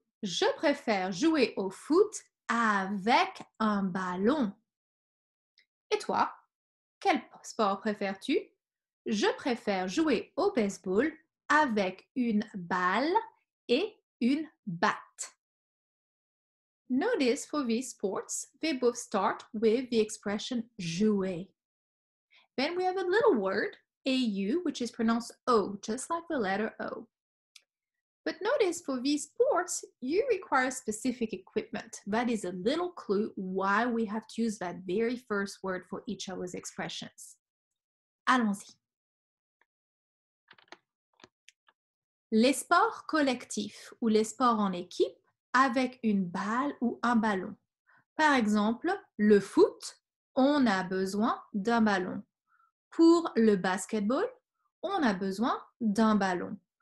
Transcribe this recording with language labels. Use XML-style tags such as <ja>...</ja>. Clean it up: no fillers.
<fr>Je préfère jouer au foot avec un ballon. Et toi, quel sport préfères-tu? Je préfère jouer au baseball avec une balle et une batte.</fr> <en>Notice for these sports, they both start with the expression jouer. Then we have a little word, au, which is pronounced O, just like the letter O. But notice for these sports, you require specific equipment. That is a little clue why we have to use that very first word for each of those expressions.</en> <fr>Allons-y. Les sports collectifs ou les sports en équipe avec une balle ou un ballon. Par exemple, le foot, on a besoin d'un ballon. Pour le basketball, on a besoin d'un ballon.</fr>